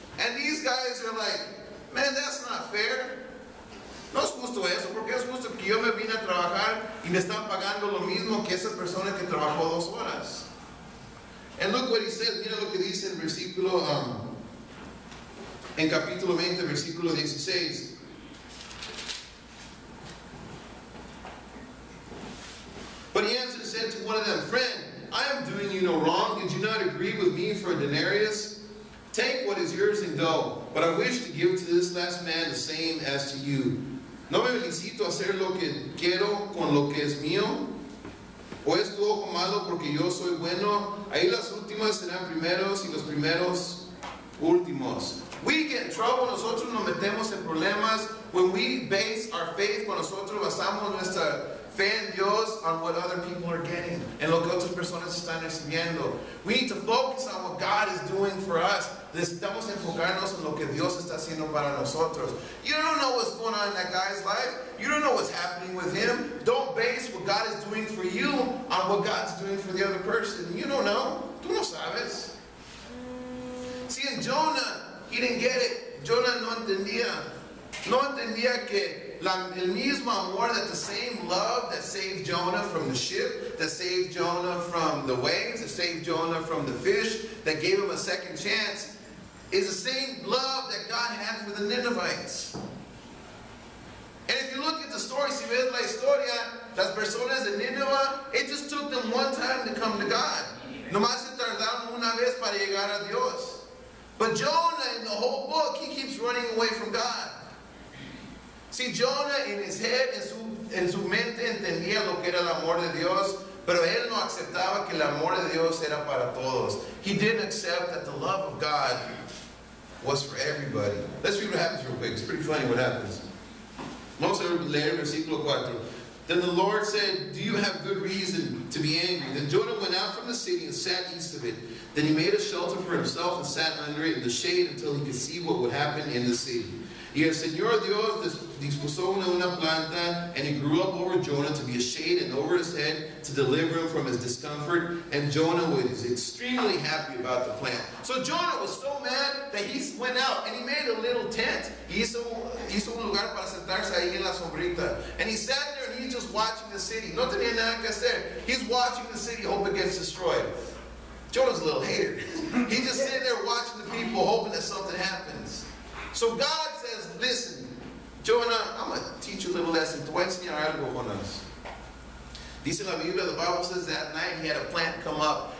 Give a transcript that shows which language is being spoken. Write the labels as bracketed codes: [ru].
[en] And these guys are like, man, that's not fair. [es] No es justo eso, porque es justo que yo me vine a trabajar y me están pagando lo mismo que esa persona que trabajó dos horas. [en] And look what he says, [es] mira lo que dice en versículo, en capítulo 20, versículo 16. [en] But he answered and said to one of them, friend, I am doing you no wrong. Did you not agree with me for a denarius? Take what is yours and go. But I wish to give to this last man the same as to you. [es] ¿No me felicito hacer lo que quiero con lo que es mío? ¿O es tu ojo malo porque yo soy bueno? Ahí las últimas serán primeros y los primeros últimos. [en] We get in trouble, [es] nosotros nos metemos en problemas [en] when we base our faith, [es] cuando nosotros basamos nuestra fe en Dios [en] on what other people are getting, [es] en lo que otras personas están recibiendo. [en] We need to focus on what God is doing for us. [es] Necesitamos enfocarnos en lo que Dios está haciendo para nosotros. [en] You don't know what's going on in that guy's life. You don't know what's happening with him. Don't base what God is doing for you on what God's doing for the other person. You don't know. [es] Tú no sabes. [en] See, in Jonah, he didn't get it. [es] Jonah no entendía. No entendía que el mismo amor, [en] that the same love that saved Jonah from the ship, that saved Jonah from the waves, that saved Jonah from the fish, that gave him a second chance, is the same love that God had for the Ninevites. And if you look at the story, [es] si ves la historia, las personas de Nineveh, [en] it just took them one time to come to God. [es] Nomás se tardaron una vez para llegar a Dios. [en] But Jonah, in the whole book, he keeps running away from God. See, Jonah, in his head, [es] en su mente, entendía lo que era el amor de Dios, pero él no aceptaba que el amor de Dios era para todos. [en] He didn't accept that the love of God was for everybody. Let's read what happens real quick. It's pretty funny what happens. [es] Vamos a leer versículo 4. [en] Then the Lord said, do you have good reason to be angry? Then Jonah went out from the city and sat east of it. Then he made a shelter for himself and sat under it in the shade until he could see what would happen in the city. [es] Y el Señor Dios dispuso una planta, [en] and he grew up over Jonah to be a shade and over his head to deliver him from his discomfort. And Jonah was extremely happy about the plant. So Jonah was so mad that he went out and he made a little tent. [es] Hizo un lugar para sentarse ahí en la sombrita. [en] And he sat there and he's just watching the city. [es] No tenía nada que hacer. [en] He's watching the city, hope it gets destroyed. Jonah's a little hater. He's just sitting there watching the people, hoping that something happens. So God says, listen, Jonah, I'm going to teach you a little lesson. [es] Te voy a enseñar algo con us. Dice la Biblia, [en] the Bible says that night he had a plant come up.